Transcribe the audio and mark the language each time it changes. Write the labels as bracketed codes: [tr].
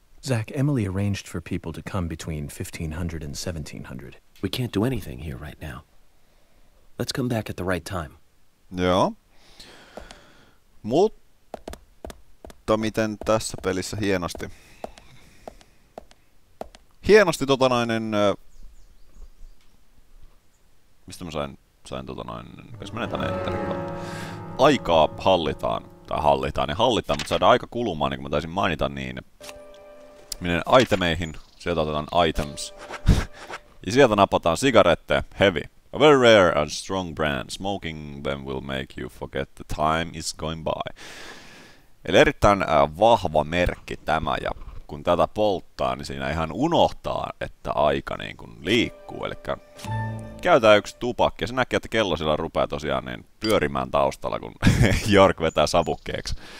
[en] Zach, Emily arranged for people to come between 1500 and 1700. We can't do anything here right now. Let's come back at the right time. [fi] Joo. Mutta miten tässä pelissä hienosti. Hienosti tota noinen... mistä mä sain tota noinen... Jos menen tänne enterin. Aikaa hallitaan. Tai hallitaan, niin hallitaan, mutta saadaan aika kulumaan, niin kuin mä taisin mainita, niin... Minen itemeihin, sieltä otetaan items. Ja sieltä napataan sigaretteja, heavy. [en] A very rare and strong brand. Smoking them will make you forget the time is going by. [fi] Eli erittäin vahva merkki tämä, ja kun tätä polttaa, niin siinä ihan unohtaa, että aika niin kuin liikkuu. Elikkä käytetään yksi tupakki, ja se näkee, että kello siellä rupeaa tosiaan niin pyörimään taustalla, kun York vetää savukkeeksi.